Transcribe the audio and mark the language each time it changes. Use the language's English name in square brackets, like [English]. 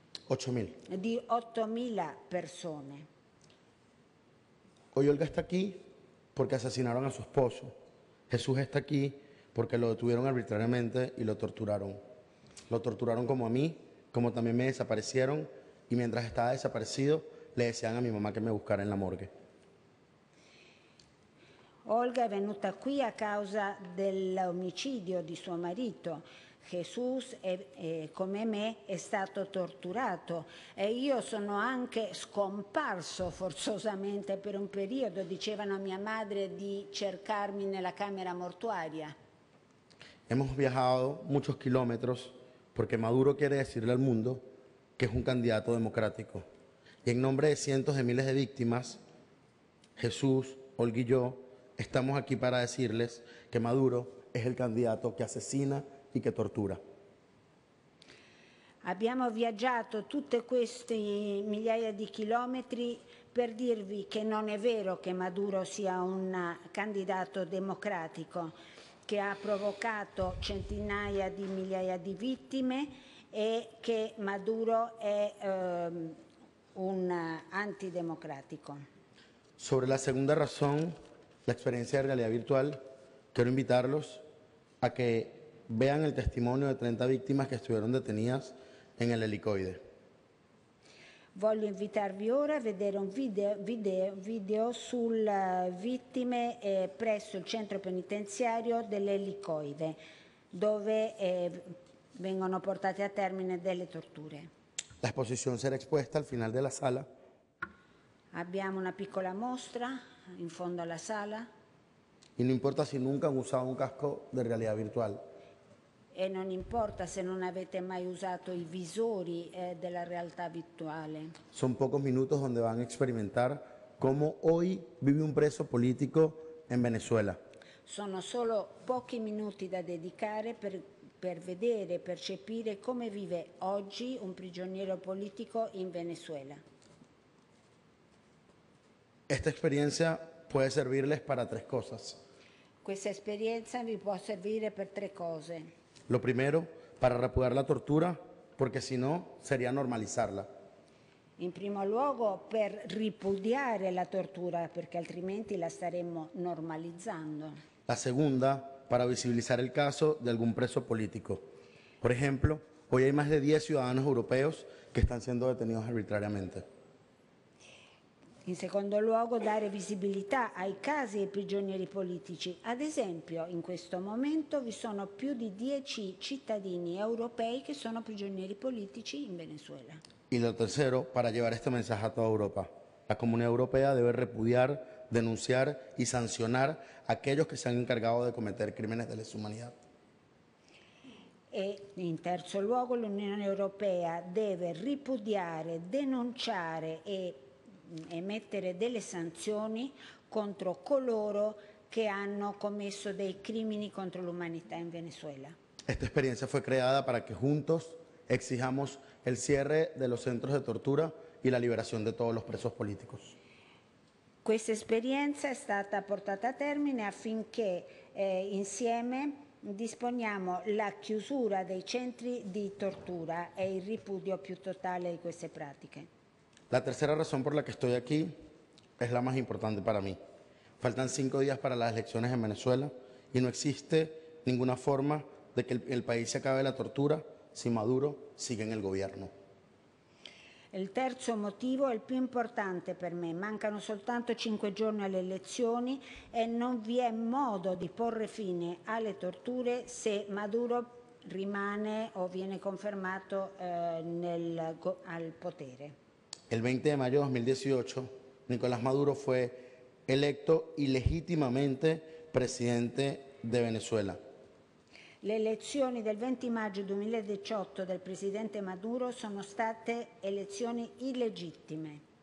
[Italian] 8.000. Di 8.000 persone. [Spanish] Hoy Olga está aquí porque asesinaron a su esposo. Jesús está aquí porque lo detuvieron arbitrariamente y lo torturaron. Lo torturaron como a mí, como también me desaparecieron. Y mientras estaba desaparecido, le decían a mi mamá que me buscara en la morgue. [Italian] Olga è venuta qui a causa dell'omicidio di suo marito. Jesús, come me, è stato torturato e io sono anche scomparso forzosamente per un periodo, dicevano a mia madre di cercarmi nella camera mortuaria. [Spanish] Hemos viajado muchos kilómetros porque Maduro quiere decirle al mundo que es un candidato democrático. Y en nombre de cientos de miles de víctimas, Jesús, Olga y yo estamos aquí para decirles que Maduro es el candidato que asesina y que tortura. [Italian] Abbiamo viaggiato tutte queste migliaia di chilometri per dirvi che non è vero che Maduro sia un candidato democratico che ha provocato centinaia di migliaia di vittime e che Maduro è un antidemocratico. [Spanish] Sobre la segunda razón, la experiencia de realidad virtual, quiero invitarlos a que vean el testimonio de 30 víctimas que estuvieron detenidas en el helicoide. [Italian] Voglio invitarvi ora a vedere un video sulle vittime presso il centro penitenziario dell'elicoide, dove vengono portate a termine delle torture. [Spanish] La exposición será expuesta al final de la sala. [Italian] Abbiamo una piccola mostra in fondo alla sala. [Spanish] Y no importa si nunca han usado un casco de realidad virtual. [Italian] E non importa se non avete mai usato i visori della realtà virtuale. [Spanish] Son pocos minutos donde van a experimentar cómo hoy vive un preso político en Venezuela. [Italian] Sono solo pochi minuti da dedicare per vedere, percepire come vive oggi un prigioniero politico in Venezuela. [Spanish] Esta experiencia puede servirles para tres cosas. [Italian] Questa esperienza vi può servire per tre cose. [Spanish] Lo primero, para repudiar la tortura, porque si no, sería normalizarla. [Italian] In primo luogo, per ripudiare la tortura, perché altrimenti la staremmo normalizzando. [Spanish] La segunda, para visibilizar el caso de algún preso político. Por ejemplo, hoy hay más de 10 ciudadanos europeos que están siendo detenidos arbitrariamente. [Italian] In secondo luogo, dare visibilità ai casi e prigionieri politici. Ad esempio, in questo momento vi sono più di 10 cittadini europei che sono prigionieri politici in Venezuela. [Spanish] Y lo tercero, para llevar este mensaje a toda Europa. La comunidad europea debe repudiar, denunciar y sancionar a aquellos que se han encargado de cometer crímenes de lesa humanidad. [Italian] E in terzo luogo, l'Unione Europea deve ripudiare, denunciare e mettere delle sanzioni contro coloro che hanno commesso dei crimini contro l'umanità in Venezuela. [Spanish] Esta experiencia fue creada para que juntos exijamos el cierre de los centros de tortura y la liberación de todos los presos políticos. [Italian] Questa esperienza è stata portata a termine affinché insieme disponiamo la chiusura dei centri di tortura e il ripudio più totale di queste pratiche. [Spanish] La tercera razón por la que estoy aquí es la más importante para mí. Faltan 5 días para las elecciones en Venezuela y no existe ninguna forma de que el país se acabe la tortura si Maduro sigue en el gobierno. [Italian] Il terzo motivo è il più importante per me. Mancano soltanto 5 giorni alle elezioni e non vi è modo di porre fine alle torture se Maduro rimane o viene confermato al potere. [Spanish] El 20 de mayo de 2018, Nicolás Maduro fue electo ilegítimamente presidente de Venezuela. [Italian] Le elezioni del 20 maggio 2018 del presidente Maduro sono state elezioni illegittime.